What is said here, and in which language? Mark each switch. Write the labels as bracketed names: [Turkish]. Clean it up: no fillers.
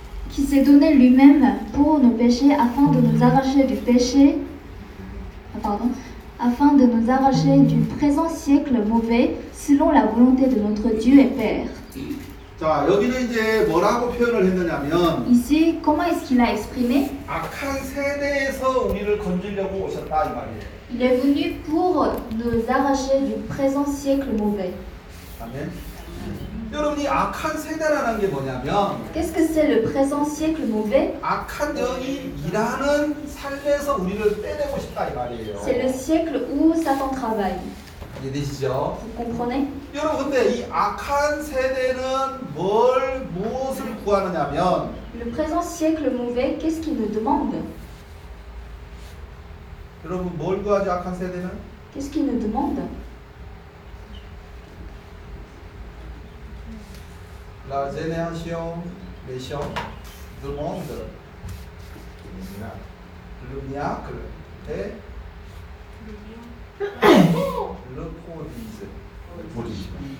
[French] Qui s'est donné lui-même pour nos péchés afin de nous arracher du péché. Pardon, afin de nous arracher du présent siècle mauvais selon la volonté de notre Dieu et Père. [Korean] 자, 여기는 이제 뭐라고 표현을 했느냐면 [French] Ici, comment est-ce qu'il a exprimé? [Korean] 악한 세대에서 우리를 건지려고 오셨다 이 말이에요. [French] Il est venu pour nous arracher du présent siècle mauvais. [Korean] 아멘. 여러분 이 악한 세대라는 게 뭐냐면 [French] Qu'est-ce que c'est le présent siècle mauvais? [Korean] 악한 영이 일하는 삶에서 우리를 빼내고 싶다 이 말이에요. [French] C'est le siècle où Satan travaille. [Korean] 이해되시죠? [French] Comprenez? [Korean] 여러분 근데 이 악한 세대는 뭘 무엇을 구하느냐면 [French] Le présent siècle mauvais, qu'est-ce qu'il nous demande? [Korean] 여러분 뭘 구하지 악한 세대는? [French] Qu'est-ce qu'il nous demande? La génération méchante demande le miracle et le prodige.